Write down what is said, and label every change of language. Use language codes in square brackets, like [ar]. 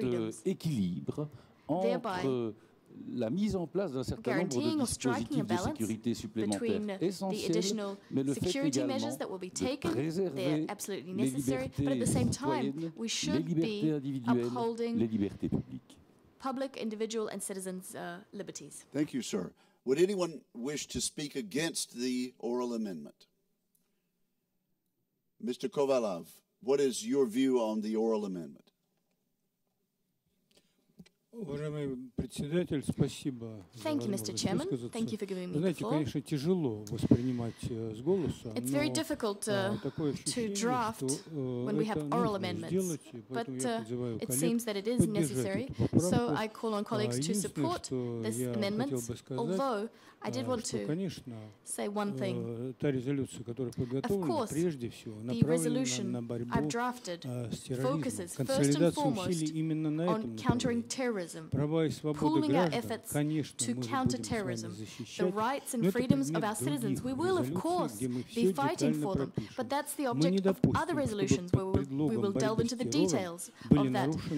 [fr] cet équilibre entre la mise en place d'un certain nombre de dispositifs de sécurité supplémentaires essentiels, mais le fait également de préserver les libertés citoyennes, les libertés individuelles, les libertés publiques. [en] Public, individual, and citizens' liberties. Thank you, sir. Would anyone wish to speak against the oral amendment? Mr. Kovalov, what is your view on the oral amendment? [ru] Уважаемый председатель, спасибо. [en] Thank you, Mr. Chairman. Thank you for giving me the floor. [ru] Знаете, конечно, тяжело воспринимать с голоса, но [en] it's very difficult to draft when we have oral amendments, but it seems that it is necessary. So I call on colleagues to support this amendment. Although I did want to say one thing. [ru] Та резолюция, которая подготовлена, прежде всего, направлена на борьбу с терроризмом, [en] focuses first and foremost on countering terrorism, pooling our efforts to counter terrorism, the rights and freedoms of our citizens. We will, of course, be fighting for them, but that's the object of other resolutions where we will delve into the details of that.